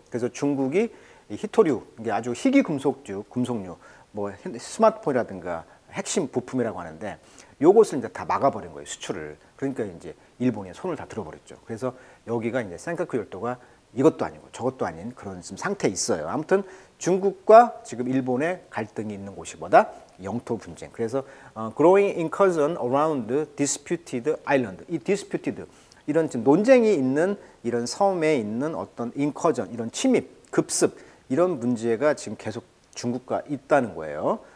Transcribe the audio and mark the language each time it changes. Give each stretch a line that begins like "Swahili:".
Korean: 그래서 중국이 희토류, 이게 아주 희귀 금속류, 뭐 스마트폰이라든가 핵심 부품이라고 하는데 요것을 이제 다 막아버린 거예요, 수출을. 그러니까 이제 일본이 손을 다 들어버렸죠. 그래서 여기가 이제 센카쿠 열도가 이것도 아니고 저것도 아닌 그런 지금 상태에 있어요. 아무튼 중국과 지금 일본의 갈등이 있는 곳이보다 영토 분쟁. 그래서
English: growing in concern around disputed island.
Korean: 이 disputed, 이런 지금 논쟁이 있는 이런 섬에 있는 어떤 인커전, 이런 침입, 급습, 이런 문제가 지금 계속 중국과 있다는 거예요.